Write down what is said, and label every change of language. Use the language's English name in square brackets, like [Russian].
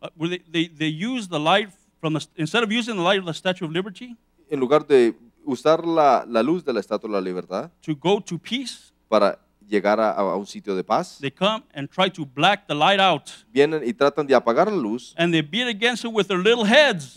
[English] Where they use the light from the, instead of using the light of the Statue of Liberty. [Spanish] En lugar de usar la luz de la Estatua de la Libertad. [English] To go to peace. [Spanish] Para llegar a un sitio de paz. [English] They come and try to black the light out. [Spanish] Vienen y tratan de apagar la luz. [English] And they beat against it with their little heads.